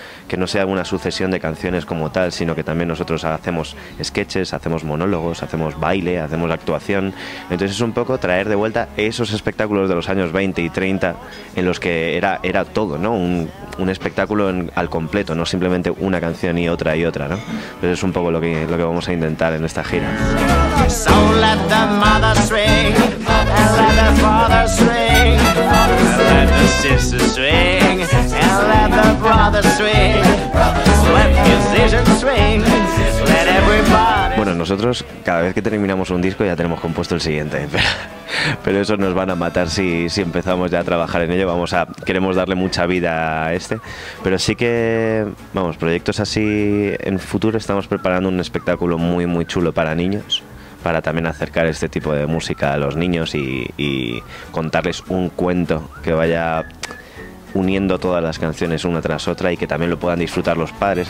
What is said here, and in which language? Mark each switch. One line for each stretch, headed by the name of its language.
Spanish: que no sea una sucesión de canciones como tal, sino que también nosotros hacemos sketches, hacemos monólogos, hacemos baile, hacemos actuación. Entonces es un poco traer de vuelta esos espectáculos de los años 20 y 30 en los que era todo, ¿no? Un espectáculo al completo, no simplemente una canción y otra, ¿no? Pero es un poco lo que vamos a intentar en esta gira.
English: So let the mother swing, and let the father swing, and let the sister swing, and let the brother swing, let musicians swing, let everybody.
Spanish: Bueno, nosotros cada vez que terminamos un disco ya tenemos compuesto el siguiente, pero eso nos van a matar si empezamos ya a trabajar en ello. Queremos darle mucha vida a este, pero sí que, vamos, proyectos así en futuro. Estamos preparando un espectáculo muy muy chulo para niños, para también acercar este tipo de música a los niños y contarles un cuento que vaya uniendo todas las canciones una tras otra y que también lo puedan disfrutar los padres.